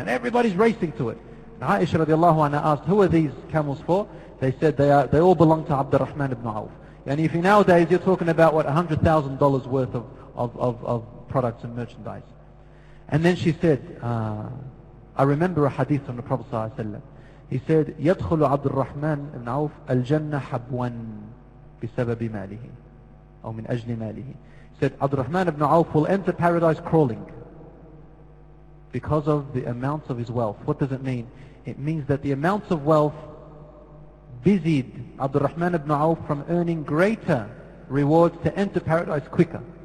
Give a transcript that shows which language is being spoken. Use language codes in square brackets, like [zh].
[en] And everybody's racing to it. And Aisha radiallahu anha asked, who are these camels for? They said, they all belong to Abdul Rahman ibn Auf. And if you nowadays, you're talking about, what, $100,000 worth of products and merchandise. And then she said, I remember a hadith from the Prophet sallallahu alayhi wa sallam. He said, [ar] يَدْخُلُ عَبْدُ الرَّحْمَنِ ibn Auf الْجَنَّةَ حَبْوًا بِسَبَبِ مَالِهِ أَوْ مِنْ أَجْلِ مَالِهِ. [en] He said, Abdul Rahman ibn Auf will enter paradise crawling because of the amount of his wealth. What does it mean? It means that the amount of wealth busied Abdul Rahman ibn Auf from earning greater rewards to enter paradise quicker.